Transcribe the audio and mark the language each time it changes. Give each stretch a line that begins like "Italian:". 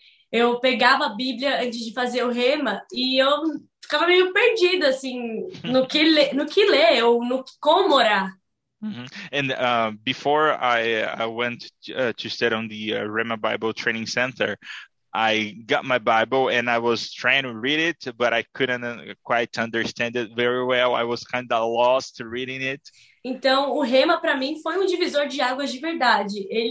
Portuguese: Eu pegava a Bíblia antes de fazer o rema e eu ficava meio perdida assim no que ler ou no como orar.
English: And before I went to study on the Rema Bible Training Center, I got my Bible and I was trying to read it, but I couldn't quite understand it very well. I was kind of lost reading it.
Portuguese: Então, o rema para mim foi um divisor de águas de verdade.